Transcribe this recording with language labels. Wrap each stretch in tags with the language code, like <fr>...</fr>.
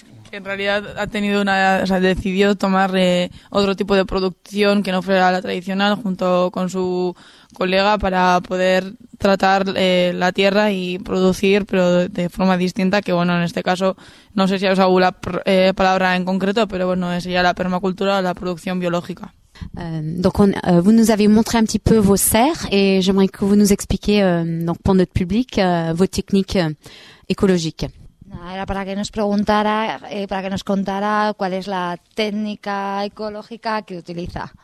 <es>Que en realidad ha tenido una, o sea, decidió tomar otro tipo de producción que no fuera la tradicional junto con su colega para poder tratar la tierra y producir, pero de forma distinta, que bueno, en este caso no sé si has usado la palabra en concreto, pero bueno, sería la permacultura o la producción biológica.</es> <fr>Vous nous avez montré un petit peu vos serres et j'aimerais que vous nous expliquiez donc pour notre public vos techniques écologiques.</fr> <es>Era para que nos preguntara, para que nos contara cuál es la técnica ecológica que utiliza.</es>